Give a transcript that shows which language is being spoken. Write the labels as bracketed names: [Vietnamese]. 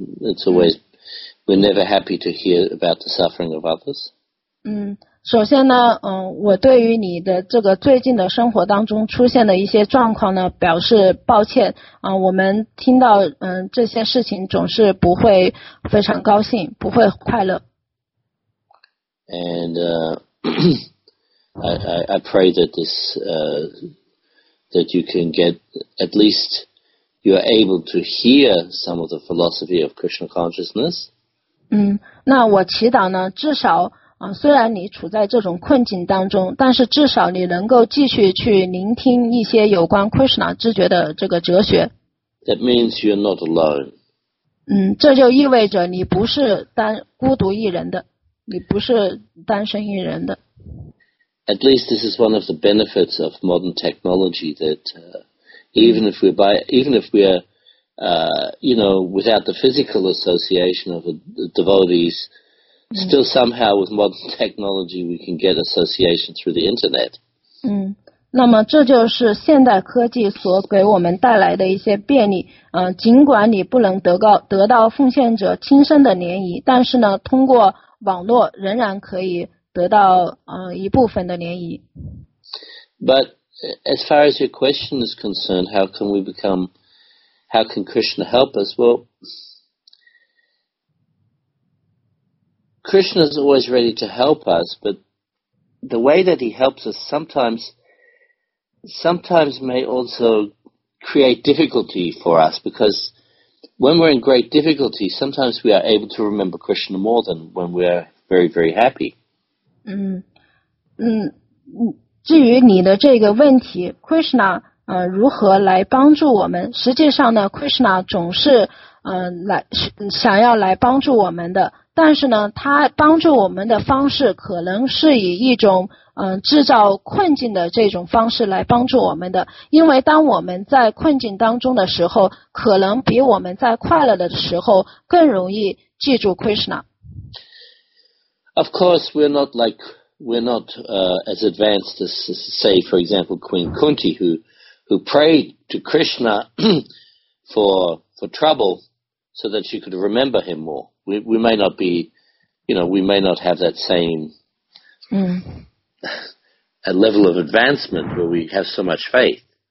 [English] It's always, we're never happy to hear about the suffering of others. [Chinese] 首先呢，我对于你的这个最近的生活当中出现的一些状况呢，表示抱歉。我们听到这些事情总是不会非常高兴，不会快乐。 [English] And I pray that that you can get at least you are able to hear some of the philosophy of Krishna consciousness. [Chinese] 那我祈祷呢，至少。虽然你处在这种困境当中，但是至少你能够继续去聆听一些有关 Krishna 知觉的这个哲学。 [English] That means you're not alone. [Chinese] 这就意味着你不是单孤独一人的，你不是单身一人的。 [English] At least this is one of the benefits of modern technology that even if we're by, even if we're you know, without the physical association of the devotees, still somehow with modern technology we can get association through the internet. [Chinese] 那么这就是现代科技所给我们带来的一些便利。尽管你不能得到奉献者亲身的联谊，但是呢，通过网络仍然可以得到一部分的联谊。 [English] But as far as your question is concerned, how can we become, how can Krishna help us? Well, Krishna is always ready to help us, but the way that he helps us sometimes may also create difficulty for us, because when we're in great difficulty, sometimes we are able to remember Krishna more than when we are very, very happy. [Chinese] 至于你的这个问题， Krishna 如何来帮助我们，实际上呢， Krishna 总是想要来帮助我们的，但是呢，他帮助我们的方式可能是以一种制造困境的这种方式来帮助我们的，因为当我们在困境当中的时候，可能比我们在快乐的时候更容易记住 Krishna。 [English] Of course we're not like we're not as advanced as say for example Queen Kunti who prayed to Krishna for trouble so that she could remember him more. We may not be, you know, we may not have that same a level of advancement where we have so much faith.